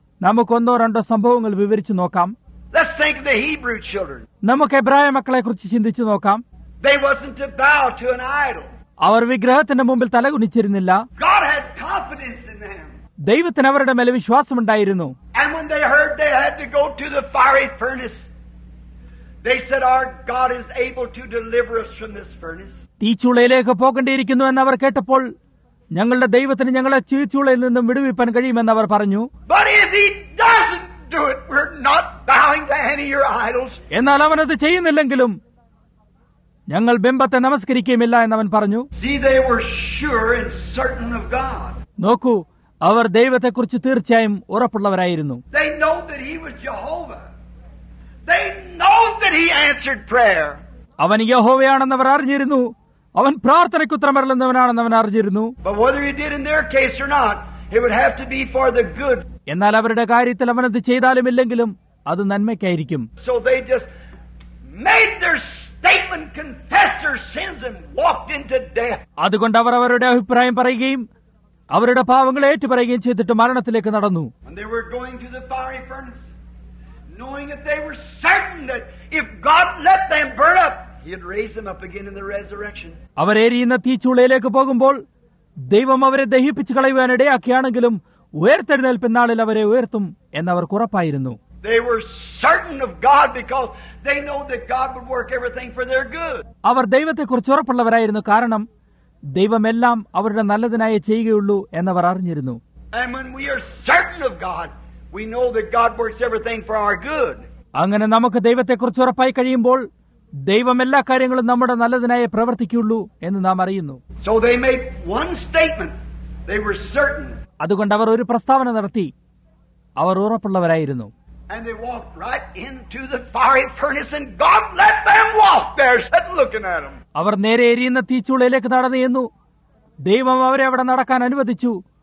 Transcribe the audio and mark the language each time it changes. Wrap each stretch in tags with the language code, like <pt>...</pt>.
<ml>നമുക്ക് ഒന്നോ രണ്ടോ സംഭവങ്ങൾ വിവരിച്ചു നോക്കാം.</ml> <en>Let's think of the Hebrew children.</en> <ml>നമുക്ക് എബ്രായ മക്കളെക്കുറിച്ച് ചിന്തിച്ചു നോക്കാം.</ml> <en>They wasn't to bow to an idol.</en> <ml>അവർ വിഗ്രഹത്തിന്റെ മുമ്പിൽ തലകുനിച്ചിരുന്നില്ല.</ml> <en>God had confidence in them.</en> <ml>ദൈവത്തിന് അവരുടെ മേലെ വിശ്വാസമുണ്ടായിരുന്നു.</ml> <en>And when they heard they had to go to the fiery furnace, they said, our God is able to deliver us from this furnace.</en> <ml>തീച്ചുളയിലേക്ക് പോകേണ്ടിയിരിക്കുന്നു എന്ന് അവർ കേട്ടപ്പോൾ ഞങ്ങളുടെ ദൈവത്തിന് ഞങ്ങളെ തീച്ചുളയിൽ നിന്നും വിടുവിപ്പാൻ കഴിയുമെന്ന് അവർ പറഞ്ഞു.</ml> <en>But if he doesn't do it, we're not bowing to any of your idols.</en> <ml>എന്നാൽ അവനത് ചെയ്യുന്നില്ലെങ്കിലും ഞങ്ങൾ ബിംബത്തെ നമസ്കരിക്കുകയുമില്ല എന്നവൻ പറഞ്ഞു.</ml> <en>See, they were sure and certain of God.</en> <ml>നോക്കൂ, അവർ ദൈവത്തെക്കുറിച്ച് തീർച്ചയായും ഉറപ്പുള്ളവരായിരുന്നു.</ml> <en>They know that he was Jehovah. They know that he answered prayer.</en> <ml>അവൻ യഹോവയാണെന്ന് അവർ അറിഞ്ഞിരുന്നു. അവൻ പ്രാർത്ഥനയ്ക്ക് ഉത്തരമരുളുന്നവനാണെന്ന് അവൻ അറിഞ്ഞിരുന്നു.</ml> <en>But whether he did in their case or not, it would have to be for the good.</en> <ml>എന്നാൽ അവരുടെ കാര്യത്തിൽ അവൻ അത് ചെയ്താലും ഇല്ലെങ്കിലും അത് നന്മയ്ക്കായിരിക്കും.</ml> <en>So they just made their statement, confess their sins and walked into death.</en> <ml>അതുകൊണ്ട് അവർ അവരുടെ അഭിപ്രായം പറയുകയും അവരുടെ പാവങ്ങളെ ഏറ്റുപറയുകയും ചെയ്തിട്ട് മരണത്തിലേക്ക് നടന്നു.</ml> <en>And they were going to the fiery furnace, knowing that they were certain that if God let them burn up, he'd raise them up again in the resurrection.</en> <ml>അവർ എരിയുന്ന തീച്ചുളയിലേക്ക് പോകുമ്പോൾ ദൈവം അവരെ ദഹിപ്പിച്ച് കളയുവാൻ ഇടയാക്കിയാണെങ്കിലും ഉയർത്തെഴുന്നേൽപ്പ് നാളിൽ അവരെ ഉയർത്തും എന്നവർക്ക് ഉറപ്പായിരുന്നു.</ml> <en>They were certain of God because they know that God would work everything for their good.</en> <ml>അവർ ദൈവത്തെക്കുറിച്ച് ഉറപ്പുള്ളവരായിരുന്നു, കാരണം ദൈവമെല്ലാം അവരുടെ നല്ലതിനായി ചെയ്യുകയുള്ളൂ എന്നവർ അറിഞ്ഞിരുന്നു.</ml> <en>And when we are certain of God, we know that God works everything for our good.</en> <ml>അങ്ങനെ നമുക്ക് ദൈവത്തെക്കുറിച്ച് ഉറപ്പായി കഴിയുമ്പോൾ ദൈവം എല്ലാ കാര്യങ്ങളും നമ്മുടെ നല്ലതിനായി പ്രവർത്തിക്കുകയുള്ളൂ എന്ന് നാം അറിയുന്നു.</ml> <en>So they made one statement. They were certain.</en> <ml>അതുകൊണ്ട് അവർ ഒരു പ്രസ്താവന നടത്തി. അവർ ഉറപ്പുള്ളവരായിരുന്നു.</ml> <en>And they walked right into the fiery furnace and God let them walk there, said looking at them.</en> <ml>അവർ നേരെ എരിയുന്ന തീച്ചുളയിലേക്ക് നടന്നു എന്നു. ദൈവം അവരെ അവിടെ നടക്കാൻ അനുവദിച്ചു.</ml>